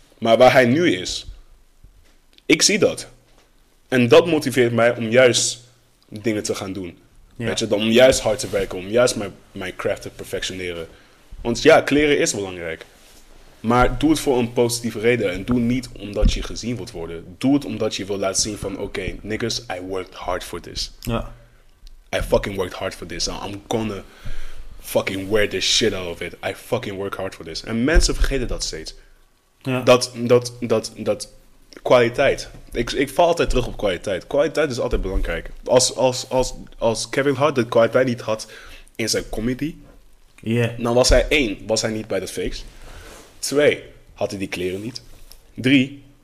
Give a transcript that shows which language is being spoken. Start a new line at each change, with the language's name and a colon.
Dutch: Maar waar hij nu is, ik zie dat. En dat motiveert mij om juist dingen te gaan doen. Ja. Weet je, om juist hard te werken, om juist mijn craft te perfectioneren. Want ja, kleren is belangrijk. Maar doe het voor een positieve reden. En doe niet omdat je gezien wilt worden. Doe het omdat je wil laten zien van...
English: Oké, niggas, I worked hard for this.
Dutch: Ja.
English: I fucking worked hard for this. I'm gonna fucking wear this shit out of it. I fucking work hard for this.
Dutch: En mensen vergeten dat steeds. Ja. Dat kwaliteit. Ik val altijd terug op kwaliteit. Kwaliteit is altijd belangrijk. Als Kevin Hart de kwaliteit niet had in zijn comedy... Yeah. Dan was hij 1. Was hij niet bij dat feest. 2. Had hij die kleren niet. 3.